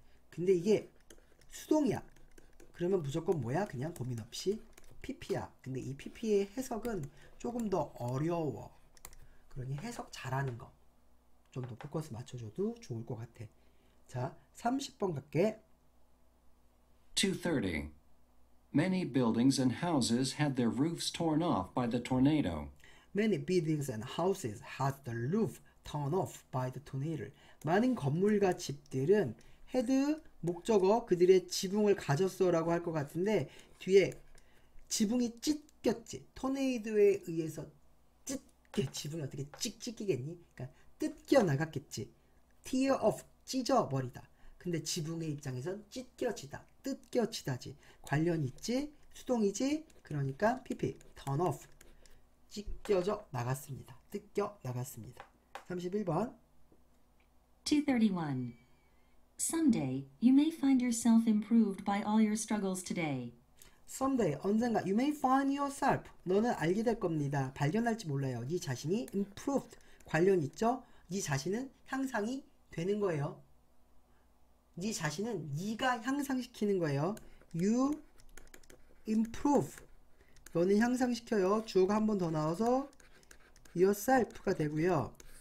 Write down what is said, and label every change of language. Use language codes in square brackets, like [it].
[ko] 근데 이게 수동이야. 그러면 무조건 뭐야? 그냥 고민 없이 PP야. 근데 이 PP의 해석은 조금 더 어려워. 그러니 해석 잘하는 거. 좀더 포커스 맞춰줘도 좋을 것 같아. 자, 30번 갈게. 2:30. [en] Many buildings and houses had their roofs torn off by the tornado. Many buildings and houses had the roof torn off by the tornado. [ko] 많은 건물과 집들은 had 목적어 그들의 지붕을 가졌어라고 할것 같은데 뒤에 지붕이 찢겼지. 토네이도에 의해서 지붕이 어떻게 찢기겠니? 그러니까 뜯겨 나갔겠지. [en] Tear off [ko] 찢어버리다. 근데 지붕의 입장에선 찢겨지다, 뜯겨지다지. 관련 있지? 수동이지? 그러니까 [en] PP turn off. [ko] 찢겨져 나갔습니다. 뜯겨 나갔습니다. 31번. 2:31. [en] Someday you may find yourself improved by all your struggles today. Someday, 언젠가 you may find yourself. [ko] 너는 알게 될 겁니다. 발견할지 몰라요. 네 자신이 improved. 관련 있죠? 네 자신은 향상이 되는 거예요. 네 자신은 네가 향상시키는 거예요. [en] You improve. [ko] 너는 향상시켜요. 주어가 한번더 나와서 yourself가 되고요.